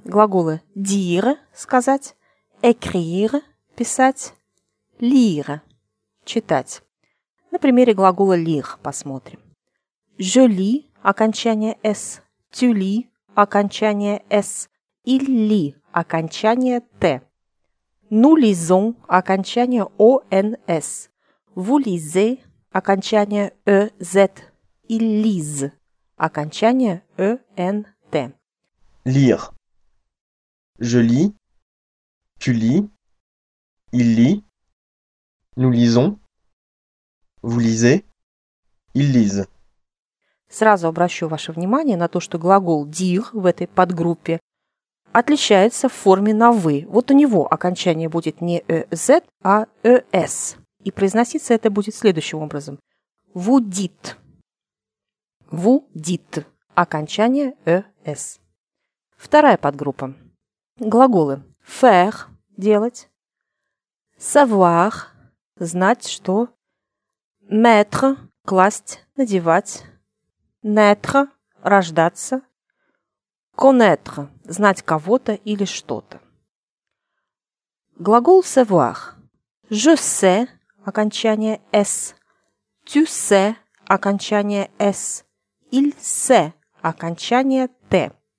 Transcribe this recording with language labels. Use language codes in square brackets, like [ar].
[ru] Глаголы «dire» – сказать, «écrire» – писать, «lire» – читать. На примере глагола «lire» посмотрим. [fr] Je lis, [ru] окончание «с», [fr] tu lis, окончание «с», il lit, [ru] окончание «т». [fr] Nous lisons, [ru] окончание [fr] «ons», vous lisez, окончание «ez», ils lisent, окончание «ent». Lire. Je lis, tu lis, il lit, nous lisons, vous lisez, ils lisent. [ru] Сразу обращу ваше внимание на то, что глагол «dire» в этой подгруппе отличается в форме на «вы». Вот у него окончание будет не «ez», а «es». И произноситься это будет следующим образом. [fr] «Vous dites». «Vous dites». [ru] Окончание «es». Вторая подгруппа. Глаголы «faire» – делать, «savoir» – знать, что, «mettre» – класть, надевать, «naître» – рождаться, «connaître» – знать кого-то или что-то. Глагол [fr] «savoir» – «je sais» – [ru] окончание [fr] «s», «tu sais» – окончание «s», «il sait» – окончание «t».